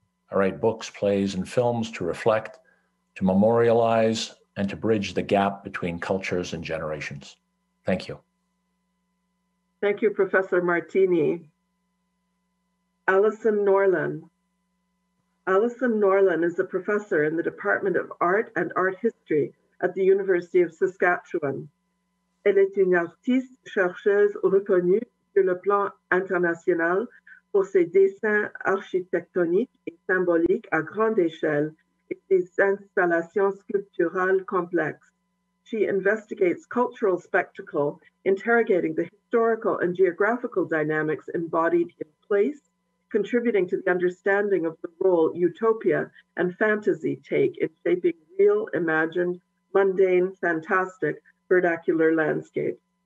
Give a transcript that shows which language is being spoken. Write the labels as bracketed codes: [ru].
[en] I write books, plays, and films to reflect, to memorialize, and to bridge the gap between cultures and generations. Thank you. Thank you, Professor Martini. Allison Norlin. Allison Norlin is a professor in the Department of Art and Art History at the University of Saskatchewan. [fr] Elle est une artiste chercheuse reconnue sur le plan international pour ses dessins architectoniques et symboliques à grande échelle et ses installations sculpturales complexes. [en] She investigates cultural spectacle, interrogating the historical and geographical dynamics embodied in place, contributing to the understanding of the role utopia and fantasy take in shaping real, imagined, mundane, fantastic, vernacular landscape.